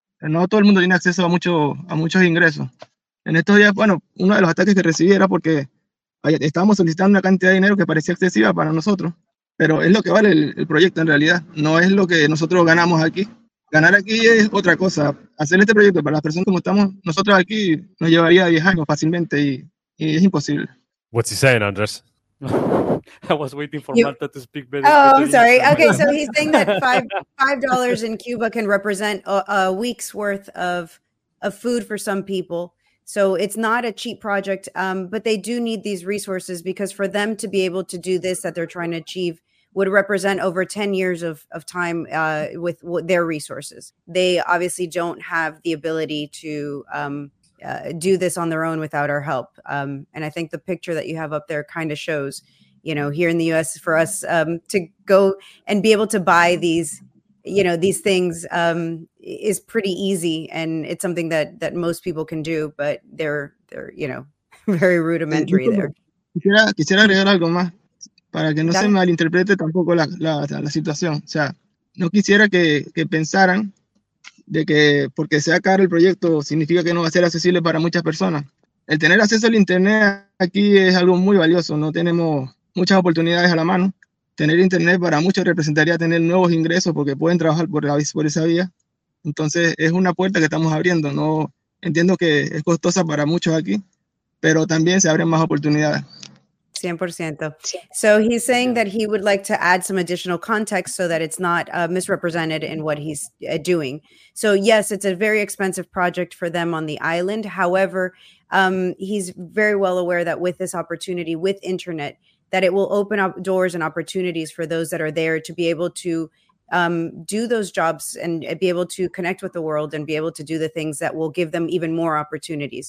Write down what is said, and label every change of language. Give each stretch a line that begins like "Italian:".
Spanish: No todo el mundo tiene acceso a muchos ingresos. En estos días, bueno, uno de los ataques que recibí era porque estábamos solicitando una cantidad de dinero que parecía excesiva para nosotros, pero es lo que vale el proyecto en realidad, no es lo que nosotros ganamos aquí. Ganar aquí es otra cosa. Hacer este proyecto para las personas como estamos nosotros aquí nos llevaría 10 años fácilmente y es imposible.
English: What's he saying, Andres? I was waiting for Marta to speak better. Oh, I'm sorry. Okay, so he's saying that $5 in Cuba can represent a week's worth of food for some people. So it's not a cheap project, but they do need these resources because for them to be able to do this that they're trying to achieve would represent over 10 years of time with their resources. They obviously don't have the ability to do this on their own without our help. And I think the picture that you have up there kind of shows, you know, here in the U.S. for us to go and be able to buy these, you know, these things is pretty easy. And it's something that most people can do, but they're, you know, very rudimentary there.
Spanish: Quisiera agregar algo más para que no se malinterprete tampoco la situación. O sea, no quisiera que pensaran de que porque sea caro el proyecto significa que no va a ser accesible para muchas personas. El tener acceso al internet aquí es algo muy valioso. No tenemos muchas oportunidades a la mano. Tener internet para muchos representaría tener nuevos ingresos porque pueden trabajar por esa vía. Entonces es una puerta que estamos abriendo. No entiendo que es costosa para muchos aquí, pero también se abren más oportunidades. 100%. So he's saying that he would like to add some additional context so that it's not misrepresented in what he's doing. So yes, it's a very expensive project for them on the island. However, he's very well aware that with this opportunity, with internet, that it will open up doors and opportunities for those that are there to be able to do those jobs and be able to connect with the world and be able to do the things that will give them even more opportunities.